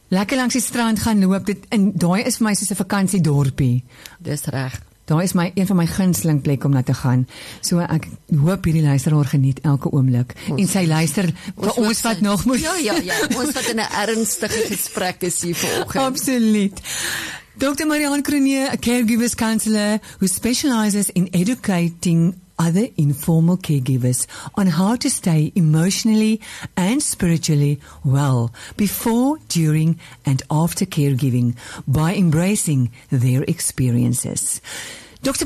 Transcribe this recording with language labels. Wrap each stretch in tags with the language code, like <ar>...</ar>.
<af>Lekker langs die strand gaan loop, dit, en daai is vir my soos 'n vakantiedorpie. Dis reg. Daai is my, een van my gunsteling plek om na te gaan. So ek hoop hierdie luisteraar geniet elke oomblik. En sy luister vir ons wat nog moet. Ja. Ons wat in 'n ernstige gesprek is hier vanoggend. Absoluut. Dr.</af> <en>Marihaan Cronje, a caregivers counselor who specializes in educating other informal caregivers on how to stay emotionally and spiritually well before, during, and after caregiving by embracing their experiences. Dr.</en>